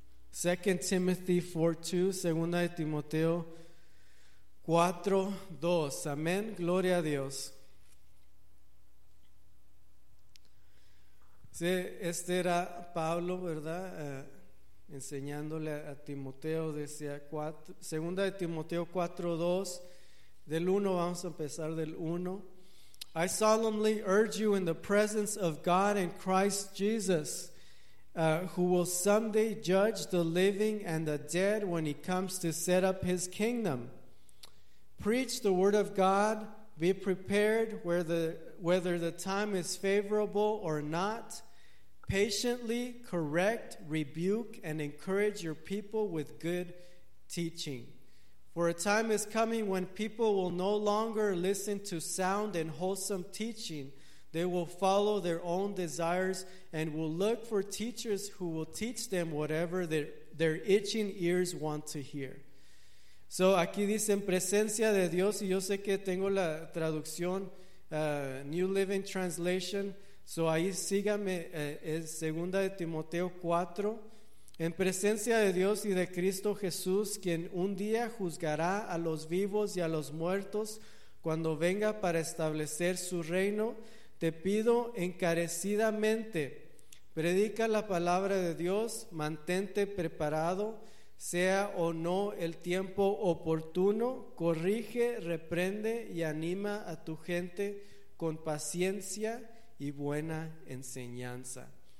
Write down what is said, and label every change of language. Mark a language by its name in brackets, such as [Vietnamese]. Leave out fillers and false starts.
[English] Second Timothy 4:2. [Spanish] Segunda de Timoteo 4:2. Amén. Gloria a Dios. Sí, este era Pablo, ¿verdad? Enseñándole a Timoteo, decía, 2 de Timoteo 4:2, del 1, vamos a empezar del 1. [English] I solemnly urge you in the presence of God and Christ Jesus, who will someday judge the living and the dead when he comes to set up his kingdom. Preach the word of God, be prepared whether the time is favorable or not. Patiently correct, rebuke, and encourage your people with good teaching. For a time is coming when people will no longer listen to sound and wholesome teaching. They will follow their own desires and will look for teachers who will teach them whatever their itching ears want to hear. [Spanish] So, aquí dice en presencia de Dios, y yo sé que tengo la traducción, New Living Translation. So ahí sígame, es segunda de Timoteo 4. En presencia de Dios y de Cristo Jesús, quien un día juzgará a los vivos y a los muertos cuando venga para establecer su reino, te pido encarecidamente, predica la palabra de Dios, mantente preparado, sea o no el tiempo oportuno, corrige, reprende y anima a tu gente con paciencia y buena enseñanza.